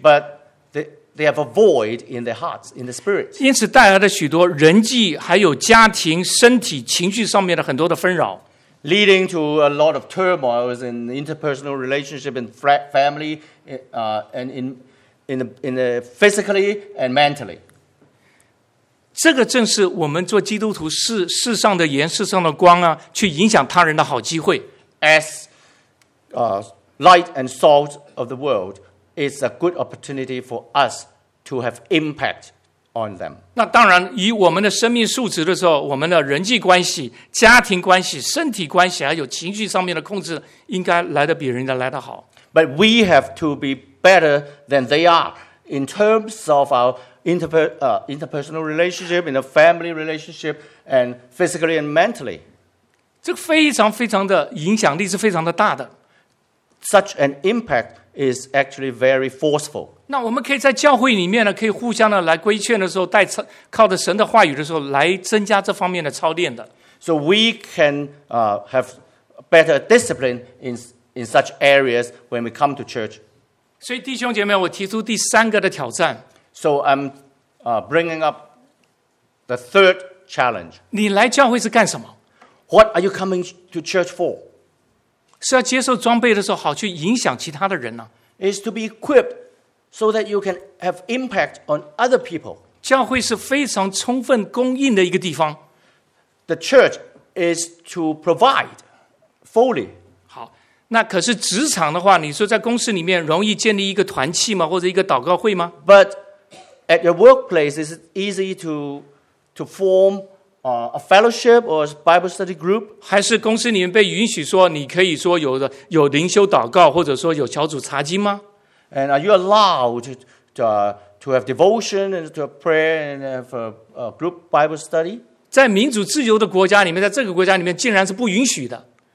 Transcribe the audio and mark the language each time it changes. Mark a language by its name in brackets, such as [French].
[English] But they have a void in their hearts, in the spirit. [Chinese] 因此带来了许多人际、还有家庭、身体、情绪上面的很多的纷扰。 [English] Leading to a lot of turmoils in interpersonal relationship and family, and in the physically and mentally. [Chinese] 这个正是我们做基督徒世上的盐、世上的光啊，去影响他人的好机会。 [English] As light and salt of the world is a good opportunity for us to have impact on them. [Chinese] 那当然，以我们的生命数值的时候，我们的人际关系、家庭关系、身体关系，还有情绪上面的控制，应该来得比人家来得好。 [English] But we have to be better than they are in terms of our interpersonal relationship, in a family relationship, and physically and mentally. [Chinese] 这个非常非常的影响力是非常的大的。 [English] Such an impact is actually very forceful. [Chinese] 那我们可以在教会里面呢，可以互相的来规劝的时候，带靠着神的话语的时候，来增加这方面的操练的。 [English] So we can have better discipline in such areas when we come to church. [Chinese] 所以弟兄姐妹，我提出第三个的挑战。 [English] So I'm bringing up the third challenge. [Chinese] 你来教会是干什么？ [English] What are you coming to church for? [Chinese] 是要接受装备的时候好去影响其他的人呢。 [English] Is to be equipped so that you can have impact on other people. [Chinese] 教会是非常充分供应的一个地方。 [English] The church is to provide fully. [Chinese] 好，那可是职场的话，你说在公司里面容易建立一个团契吗？或者一个祷告会吗？ [English] But at your workplace, it's easy to forma fellowship or a Bible study group? [Chinese] 还是公司里面被允许说你可以说有灵修祷告或者说有小组查经吗？ [English] And are you allowed to have devotion and to have prayer and have a group Bible study? [Chinese] 在民主自由的国家里面，在这个国家里面竟然是不允许的。